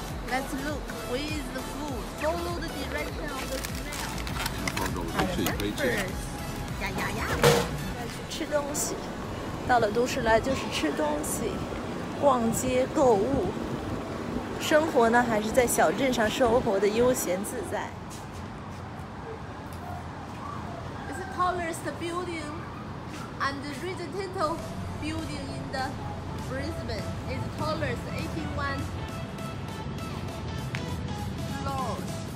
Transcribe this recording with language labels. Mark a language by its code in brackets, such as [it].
[en] Let's look. Where is the food? Follow the direction of the smell. [zh] 吃东西，到了都市来就是吃东西、逛街、购物。生活呢，还是在小镇上生活的悠闲自在。 [en] It's the tallest building and the residential building in the Brisbane is tallest 81 floors.